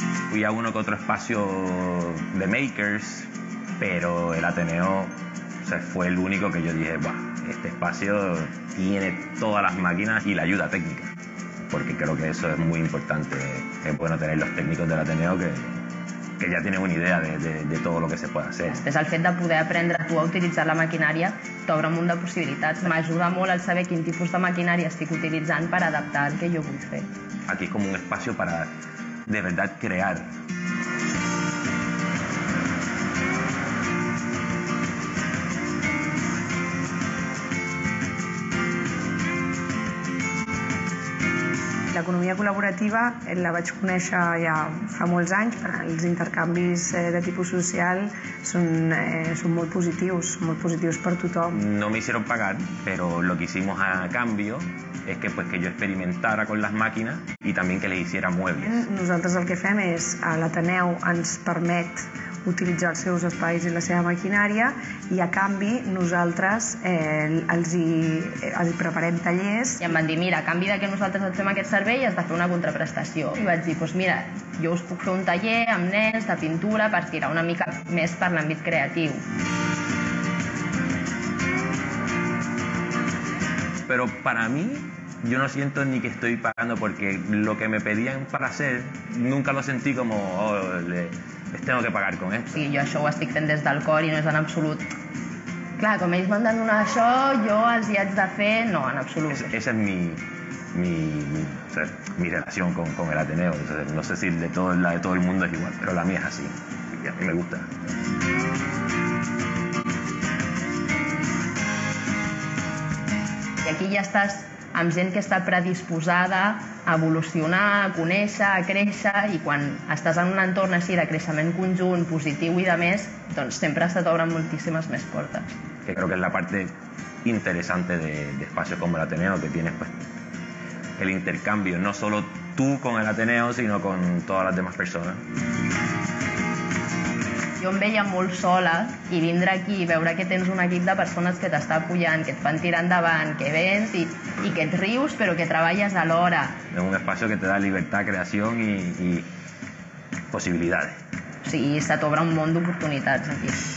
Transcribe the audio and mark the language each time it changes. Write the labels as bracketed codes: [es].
[es] Fui a uno que otro espacio de makers, pero el Ateneo fue el único que yo dije, bah, este espacio tiene todas las máquinas y la ayuda técnica, porque creo que eso es muy importante, es bueno tener los técnicos del Ateneo que ya tienen una idea de todo lo que se puede hacer. [ca] Es el fet de poder aprendre tu a utilitzar la maquinària t'obre un munt de possibilitats. M'ajuda molt al saber quin tipus de maquinària estic utilitzant per adaptar el que jo vull fer. [es] Aquí es como un espacio para de verdad crear. [ca] L'economia col·laborativa la vaig conèixer ja fa molts anys. Els intercanvis de tipus social són molt positius per tothom. [es] No me hicieron pagar, pero lo que hicimos a cambio es que, pues, que yo experimentara con las máquinas [ca] i també que li [es] hiciera muebles. [ca] Nosaltres el que fem és, l'Ateneu ens permet utilitzar els seus espais i la seva maquinària i a canvi nosaltres els hi preparem tallers. I em van dir, mira, a canvi de que nosaltres et fem aquest servei has de fer una contraprestació. I vaig dir, doncs mira, jo us puc fer un taller amb nens de pintura per tirar una mica més per l'àmbit creatiu. Però per a mi, [es] yo no siento ni que estoy pagando porque lo que me pedían para hacer nunca lo sentí como les tengo que pagar con esto. [ca] Sí, yo això ho estic fent des del cor i no és en absolut. Clar, com ells m'han donat això, jo els hi haig de fer, no, en absolut. [es] Esa es mi relació con el Ateneo. No sé si la de todo el mundo es igual, pero la mía es así. Y a mí me gusta. Y aquí ya estás [ca] amb gent que està predisposada a evolucionar, a conèixer, a créixer, i quan estàs en un entorn així de creixement conjunt, positiu i demés, doncs sempre se t'obren moltíssimes més portes. [es] Que creo que es la parte interesante de espacios como el Ateneo, que tienes pues el intercambio, no solo tú con el Ateneo, sino con todas las demás personas. [ca] Jo em veia molt sola i vindre aquí i veure que tens un equip de persones que t'està apoyant, que et fan tirar endavant, que vens i que et rius però que treballes alhora. És un espai que te da libertat, creació i possibilitats. Sí, se t'obre un món d'oportunitats aquí.